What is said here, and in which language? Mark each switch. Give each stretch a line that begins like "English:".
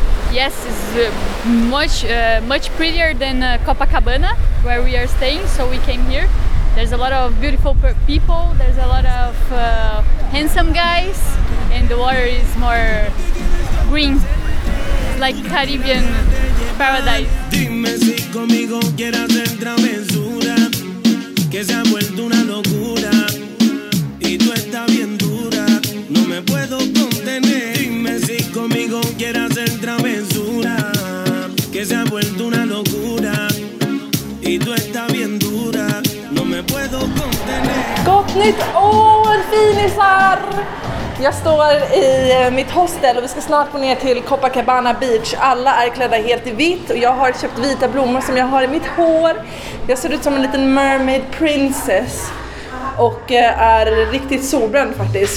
English: Yes, it's much prettier than Copacabana, where we are staying. So we came here. There's a lot of beautiful people. There's a lot of handsome guys. And the water is more green. Like Caribbean paradise.
Spanish: Dime si conmigo quieras entrar mensura, que se ha vuelto una locura y tú estás bien dura, no me puedo contener. Dime si conmigo quieras entrar mensura, que se ha vuelto una locura y tú estás bien dura, no me puedo contener.
Swedish: Gott nytt år, finisar! Jag står i mitt hostel och vi ska snart gå ner till Copacabana Beach. Alla är klädda helt i vitt och jag har köpt vita blommor som jag har i mitt hår. Jag ser ut som en liten
English: mermaid princess
Swedish: och är riktigt solbränd faktiskt.